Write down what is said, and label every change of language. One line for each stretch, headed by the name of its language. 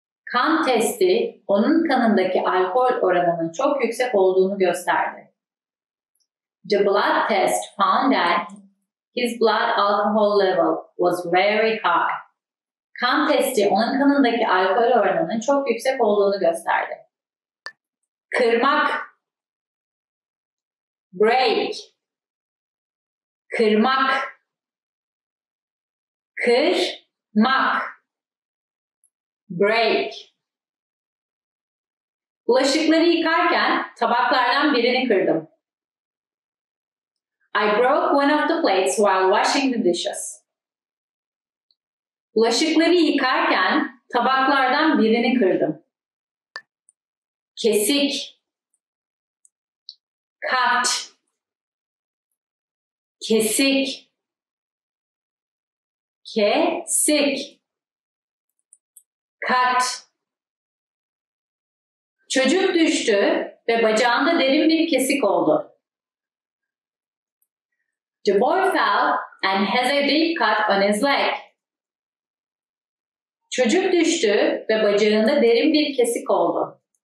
Turkish: Kan testi onun kanındaki alkol oranının çok yüksek olduğunu gösterdi.
English: The blood test found that his blood alcohol level was very high.
Turkish: Kan testi onun kanındaki alkol oranının çok yüksek olduğunu gösterdi. Kırmak.
English: Break.
Turkish: Kırmak. Kırmak.
English: Break.
Turkish: Bulaşıkları yıkarken tabaklardan birini kırdım.
English: I broke one of the plates while washing the dishes.
Turkish: Bulaşıkları yıkarken tabaklardan birini kırdım. Kesik.
English: Cut.
Turkish: Kesik. Kesik.
English: Cut.
Turkish: Çocuk düştü ve bacağında derin bir kesik oldu.
English: The boy fell and has a deep cut on his leg.
Turkish: Çocuk düştü ve bacağında derin bir kesik oldu.